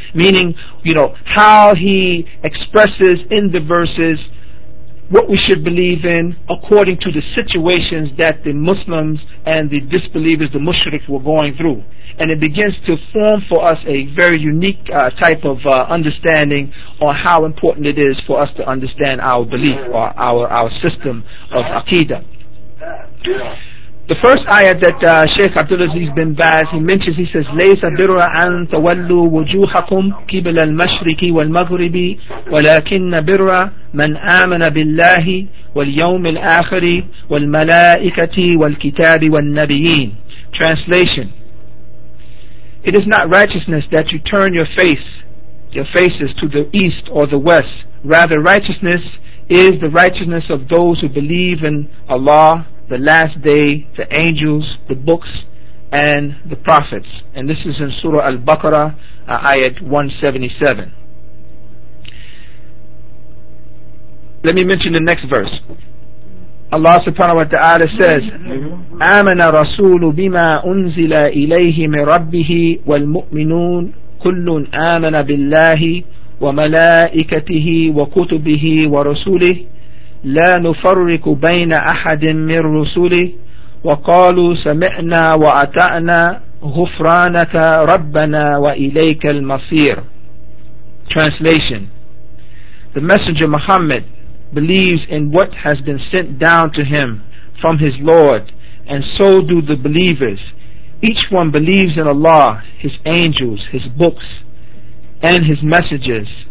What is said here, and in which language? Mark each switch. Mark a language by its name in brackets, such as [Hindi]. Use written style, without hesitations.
[English] meaning, you know, how he expresses in the verses what we should believe in according to the situations that the Muslims and the disbelievers, the mushrik, were going through. And it begins to form for us a very unique type of understanding on how important it is for us to understand our belief, or our system of aqidah. The first ayat that Shaykh Abdulaziz bin Baz, he mentions, he says, [Arabic] لَيْسَ بِرْعَ عَنْ تَوَلُّوا وُجُوهَكُمْ كِبْلَ الْمَشْرِكِ وَالْمَغْرِبِ وَلَكِنَّ بِرْعَ مَنْ آمَنَ بِاللَّهِ وَالْيَوْمِ الْآخِرِ وَالْمَلَائِكَةِ وَالْكِتَابِ وَالنَّبِيِّينَ. [English] Translation: it is not righteousness that you turn your faces to the east or the west. Rather, righteousness is the righteousness of those who believe in Allah, the last day, the angels, the books, and the prophets. And this is in Surah Al-Baqarah, ayat 177. Let me mention the next verse. Allah subhanahu wa ta'ala says, [Arabic] آمن رسول بما أنزل إليه من ربه والمؤمنون كل آمن بالله وملائكته وكتبه ورسوله لا نفرق بين أحد من رسوله وقالوا سمعنا وأطعنا غفرانك ربنا وإليك المصير. [English] Translation: the Messenger Muhammad believes in what has been sent down to him from his Lord, and so do the believers. Each one believes in Allah, his angels, his books, and his messengers.